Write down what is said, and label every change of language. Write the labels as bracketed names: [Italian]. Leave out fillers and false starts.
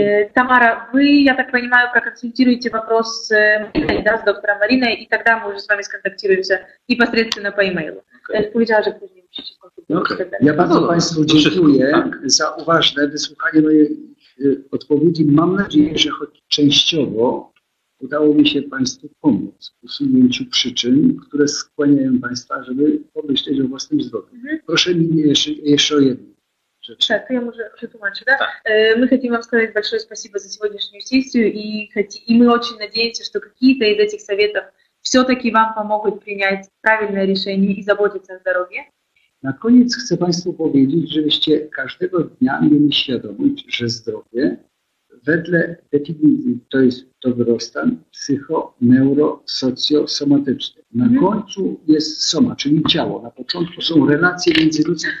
[Polish] Nie, Tamara, wy, ja tak [Russian] понимаю, проконсультируйте вопрос с Мариной, да, с доктором Мариной, и тогда мы уже с вами сконтактируемся непосредственно по e-mailu. Okay. [Polish] Powiedziała, że później musicie się skonsultować. Ja bardzo Państwu dziękuję za uważne wysłuchanie mojej odpowiedzi. Mam nadzieję, że choć częściowo udało mi się Państwu pomóc w usunięciu przyczyn, które skłaniają Państwa, żeby pomyśleć o własnym zdrowiu. Mm-hmm. Proszę mi jeszcze o jedną rzecz. Tak, to ja może przetłumaczę. Tak? My chcemy Wam [Russian] сказать большое спасибо за сегодняшнюю сессию и мы очень надеемся, что какие-то из этих советов все-таки Вам помогут принять правильное решение и заботиться о здоровье. [Polish] Na koniec chcę Państwu powiedzieć, żebyście każdego dnia mieli świadomość, że zdrowie wedle definicji to jest dobrostan psycho-neuro-socjo-somatyczny. Na końcu jest soma, czyli ciało. Na początku są relacje między ludźmi.